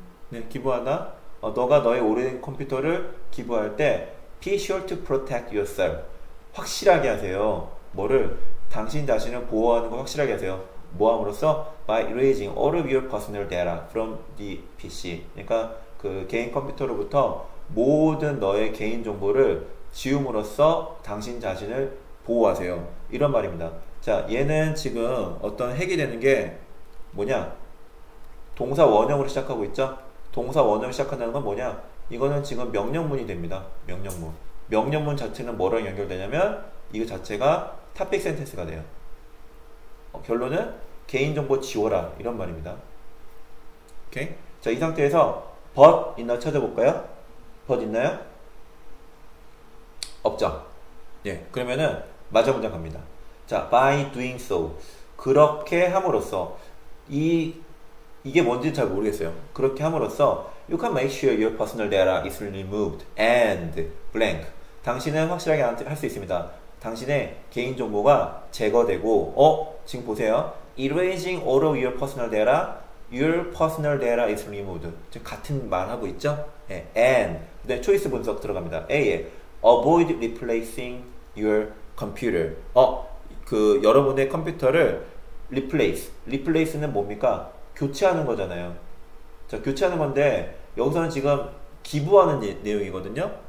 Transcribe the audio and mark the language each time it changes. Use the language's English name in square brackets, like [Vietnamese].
[Korean] 네, 기부하다. 너가 너의 오래된 컴퓨터를 기부할 때, [English] be sure to protect yourself. [Korean] 확실하게 하세요. 뭐를? 당신 자신을 보호하는 거 확실하게 하세요. 뭐 함으로써? [English] By erasing all of your personal data from the PC. [Korean] 그러니까 그 개인 컴퓨터로부터 모든 너의 개인 정보를 지움으로써 당신 자신을 보호하세요. 이런 말입니다. 자, 얘는 지금 어떤 핵이 되는 게 뭐냐? 동사 원형으로 시작하고 있죠? 동사 원형 시작한다는 건 뭐냐? 이거는 지금 명령문이 됩니다. 명령문. 명령문 자체는 뭐랑 연결되냐면, 이거 자체가 topic sentence가 돼요. 결론은 개인정보 지워라. 이런 말입니다. 오케이? 자, 이 상태에서 but 있나 찾아볼까요? but 있나요? 없죠? 예, 그러면은 마지막 문장 갑니다. 자, by doing so. 그렇게 함으로써. 이게 뭔지 잘 모르겠어요. 그렇게 함으로써 [English] you can make sure your personal data is removed and blank. [Korean] 당신은 확실하게 할수 있습니다. 당신의 개인 정보가 제거되고, 지금 보세요. [English] Erasing all of your personal data, your personal data is removed. [Korean] 지금 같은 말 하고 있죠? 예, and. 근데 초이스 분석 들어갑니다. [English] A에 avoid replacing your computer. [Korean] 그 여러분의 컴퓨터를 replace는 뭡니까? 교체하는 거잖아요. 자, 교체하는 건데 여기서는 지금 기부하는 내용이거든요.